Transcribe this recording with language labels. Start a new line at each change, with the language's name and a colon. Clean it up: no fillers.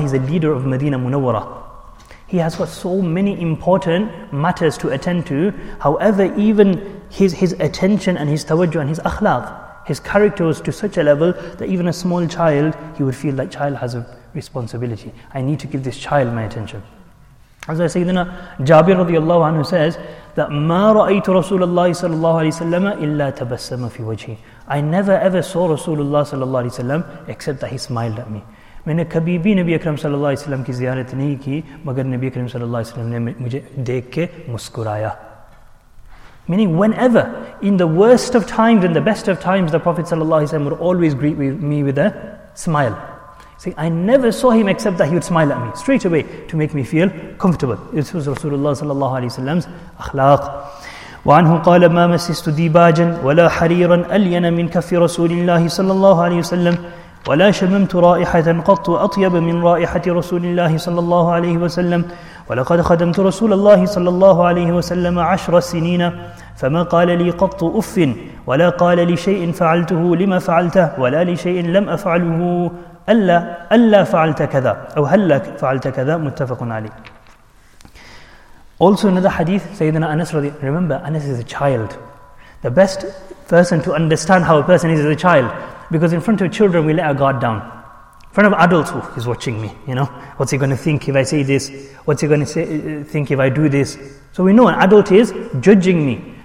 English: He's a leader of Medina Munawwara. He has got so many important matters to attend to. However, even his attention and his tawajjuh and his akhlaq, his character was to such a level that even a small child, he would feel that child has a responsibility. I need to give this child my attention. As I say, Sayyidina Jabir radiallahu anhu says that
Arabic: مَا رَأَيْتُ رَسُولَ اللَّهِ صَلَى اللَّهُ عَلَيْهِ وَسَلَّمَ إِلَّا تَبَسَّمَ فِي وَجْهِ.
English: I never ever saw Rasulullah صلى الله عليه وسلم except that he smiled at me.
Hindi: मैंने कभी भी नबी अकरम सल्लल्लाहु अलैहि वसल्लम की ज़ियारत नहीं की, मगर नबी अकरम सल्लल्लाहु अलैहि वसल्लम ने मुझे देख के मुस्कुराया.
English: Meaning whenever, in the worst of times and the best of times, the Prophet sallallahu alaihi wasallam would always greet me with a smile. See, I never saw him except that he would smile at me straight away to make me feel comfortable. This was Rasulullah sallallahu alaihi wasallam's akhlaq.
Arabic: وعنه قال ما مسست ديباجا ولا حريرا ألين من كف رسول الله صلى الله عليه وسلم ولا شممت رائحة قط أطيب من رائحة رسول الله صلى الله عليه وسلم ولقد خدمت رسول الله صلى الله عليه وسلم 10 سنين فما قال لي قط أف ولا قال لي شيء فعلته لما فعلته ولا لشيء لم أفعله ألا فعلت كذا أو هل فعلت كذا متفق عليه.
English: Also another hadith, Sayyidina Anas, remember Anas is a child. The best person to understand how a person is a child. Because in front of children, we let our guard down. In front of adults, oh, he's watching me, you know. What's he going to think if I say this? What's he going to think if I do this? So we know an adult is judging me.